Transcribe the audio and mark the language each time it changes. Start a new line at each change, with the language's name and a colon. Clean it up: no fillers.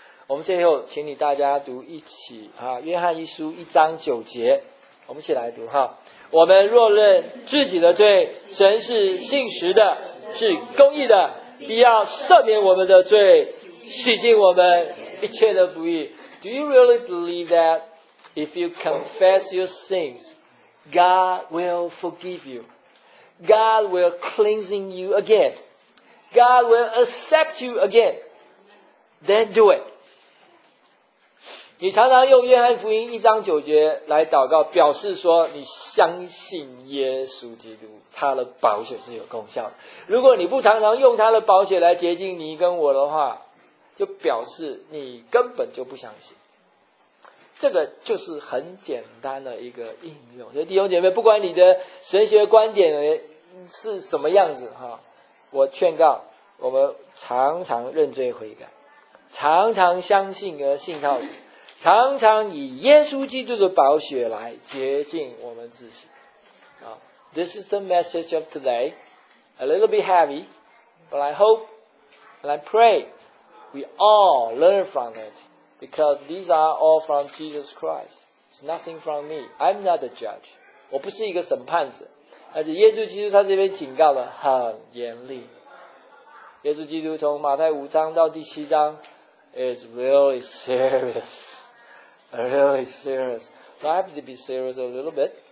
Chinese: 我们最后请你大家读一起啊，约翰一书一章九节，我们一起来读哈。我们若认自己的罪，神是信实的，是公义的，必要赦免我们的罪，洗净我们一切的不义。
English: Do you really believe that if you confess your sins, God will forgive you? God will cleansing you again. God will accept you again. Then do it.
Chinese: 你常常用约翰福音一章九节来祷告，表示说你相信耶稣基督，他的宝血是有功效的。如果你不常常用他的宝血来洁净你跟我的话，就表示你根本就不相信。这个就是很简单的一个应用。所以弟兄姐妹，不管你的神学观点是什么样子，我劝告我们常常认罪悔改，常常相信而信靠主，常常以耶稣基督的宝血来洁净我们自己。
English: This is the message of today. A little bit heavy, but I hope and I pray we all learn from it because these are all from Jesus Christ. It's nothing from me. I'm not the judge.
Chinese: 我不是一个审判者。而且耶稣基督他这边警告的很严厉。耶稣基督从马太五章到第七章
English: is really serious. Really serious. So I have to be serious a little bit.